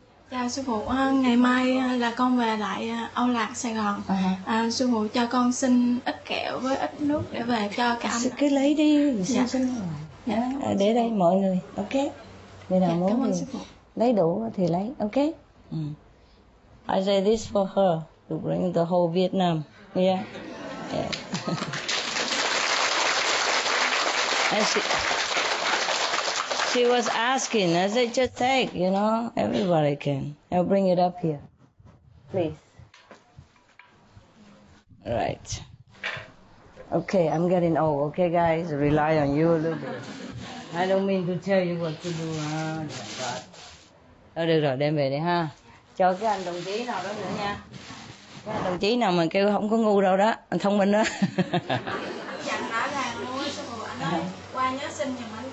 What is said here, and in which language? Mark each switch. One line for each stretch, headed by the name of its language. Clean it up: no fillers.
Vietnamese: Chào sư phụ, ngày mai là con về lại Âu Lạc, Sài Gòn. Sư phụ cho con xin ít kẹo với ít nước để về cho cả anh. Sư cứ lấy đi, xin xin. Dạ. Để đây mọi người, ok. Người nào muốn thì lấy đủ thì lấy, ok.
English: I say this for her, to bring the whole Vietnam. Yeah. Yeah. And she was asking, I said, just take, you know, everybody can. I'll bring it up here. Please. Right. Okay, I'm getting old, okay, guys? Rely on you a little bit. I don't mean to tell you what to do, huh? Oh, my God.
Vietnamese: Thôi được rồi, đem về đi, ha? Chờ cái anh đồng chí nào đó nữa nha. Cái anh đồng chí nào mà kêu không có ngu đâu đó, anh thông minh đó. Dặn rõ ràng luôn, sao mà anh nói qua nhớ xin nhầm.